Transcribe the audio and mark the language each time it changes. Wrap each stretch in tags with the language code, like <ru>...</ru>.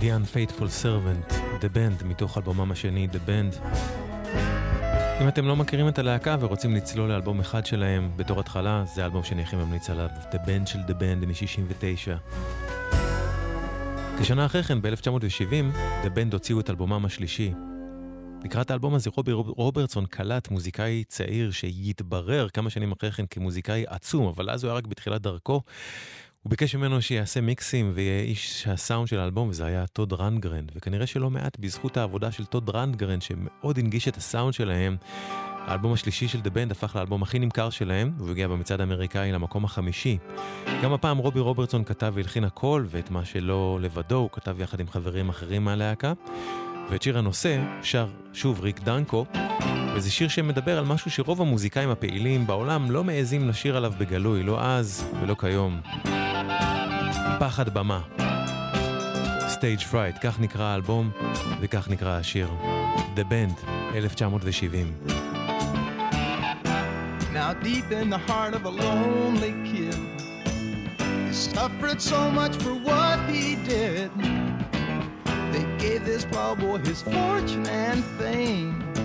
<he>Faithful Servant, The Band, מתוך אלבומם השני, The Band. אם אתם לא מכירים את הלהקה ורוצים לצלול לאלבום אחד שלהם בתור התחלה, זה אלבום שאני הכי ממליץ עליו, The Band של The Band, מ-69. כשנה אחרי כן, ב-1970, The Band הוציאו את אלבומם השלישי. לקראת האלבום הזה רוברטסון קלט מוזיקאי צעיר שיתברר כמה שנים אחרי כן כמוזיקאי עצום, אבל אז הוא היה רק בתחילת דרכו, הוא ביקש ממנו שיעשה מיקסים ויהיה איש הסאונד של האלבום, וזה היה טוד רנגרן. וכנראה שלא מעט בזכות העבודה של טוד רנגרן, שמאוד הנגיש את הסאונד שלהם, האלבום השלישי של The Band הפך לאלבום הכי נמכר שלהם, והוא הגיע במצעד האמריקאי למקום החמישי. גם הפעם רובי רוברטסון כתב והלחין הכל, ואת מה שלא לבדו הוא כתב יחד עם חברים אחרים מהלהקה. ואת שיר הנושא שר שוב ריק דנקו, וזה שיר שמדבר על משהו שרוב המוזיקאים הפעילים בעולם לא מעזים לשיר עליו בגלוי, לא אז ולא כיום. פחד במה. Stage Fright, כך נקרא האלבום וכך נקרא השיר. The Band, 1970.</he> <en>Now deep in the heart of a lonely kid, he suffered so much for what he did. They gave this poor boy his fortune and fame.</en>